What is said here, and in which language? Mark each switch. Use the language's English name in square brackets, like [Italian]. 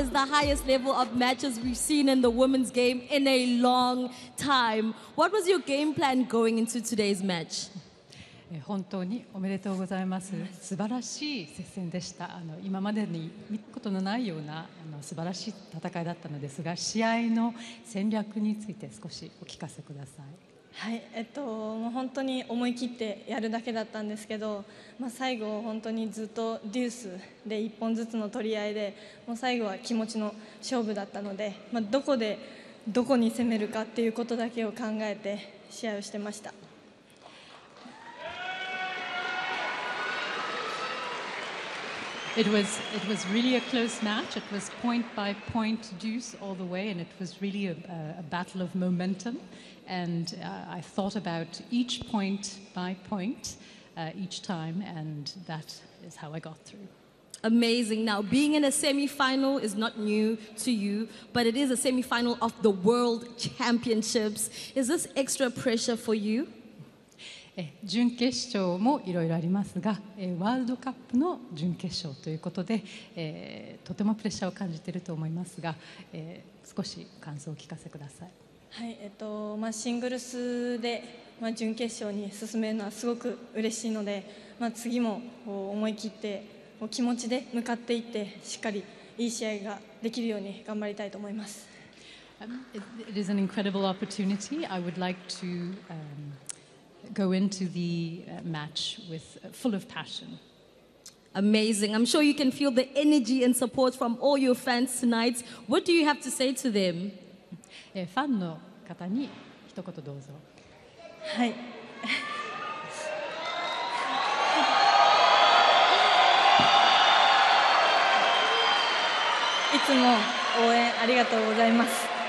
[English] highest level of matches we've seen in the women's game in a long time. What was your game plan going into today's match? [Japanese] 本当におめでとうございます。素晴らしい接戦でした。今までに見たことのないような素晴らしい戦いだったのですが、試合の戦略について少しお聞かせください。はい、もう本当に思い切ってやるだけだったんですけど、まあ、最後本当にずっとデュースで1本ずつの取り合いで、もう最後は気持ちの勝負だったので、まあ、どこでどこに攻めるかっていうことだけを考えて試合をしてました。 [English] It was really a close match. It was point by point deuce all the way, and it was really a battle of momentum. And I thought about each point by point each time, and that is how I got through. Amazing. Now, being in a semi-final is not new to you, but it is a semi-final of the World Championships. Is this extra pressure for you? [Japanese] 準決勝もいろいろありますが、ワールドカップの準決勝ということで、とてもプレッシャーを感じていると思いますが、少し感想を聞かせください。はい、まあ、シングルスで、まあ、準決勝に進めるのはすごく嬉しいので、まあ、次も思い切って気持ちで向かっていって、しっかりいい試合ができるように頑張りたいと思います。 [English] It is an incredible opportunity. I would like to go into the match with full of passion. Amazing. I'm sure you can feel the energy and support from all your fans tonight. What do you have to say to them? [Japanese] ファンの方に一言どうぞ。はい。いつも応援ありがとうございます。